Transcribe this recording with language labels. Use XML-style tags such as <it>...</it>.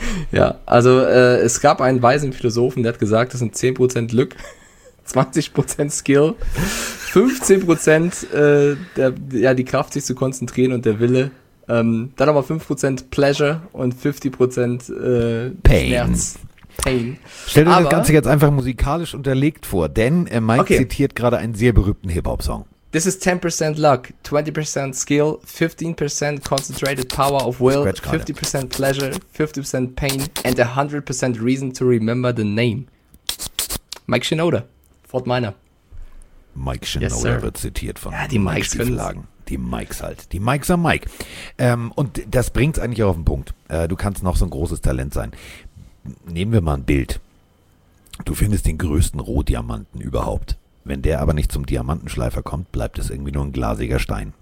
<de>Ja, also es gab einen weisen Philosophen, der hat gesagt, das sind 10% Glück, 20% Skill, 15% die Kraft, sich zu konzentrieren und der Wille, dann aber 5% Pleasure und 50%</de> <en>Pain.</en> <de>Schmerz.</de> <en>Pain.</en> <de>Stell dir das Ganze jetzt einfach musikalisch unterlegt vor, denn Mike zitiert gerade einen sehr berühmten Hip-Hop-Song.</de> <en>This is 10% luck, 20% skill, 15% concentrated power of will, 50% pleasure, 50% pain, and 100% reason to remember the name. Mike Shinoda, Fort Minor.</en> <de>Mike Shinoda, yes, wird zitiert von, ja, die Mike Stiefelhagen. Die Mikes halt. Die Mikes am Mike. Und das bringt es eigentlich auch auf den Punkt. Du kannst noch so ein großes Talent sein. Nehmen wir mal ein Bild. Du findest den größten Rohdiamanten überhaupt. Wenn der aber nicht zum Diamantenschleifer kommt, bleibt es irgendwie nur ein glasiger Stein.</de>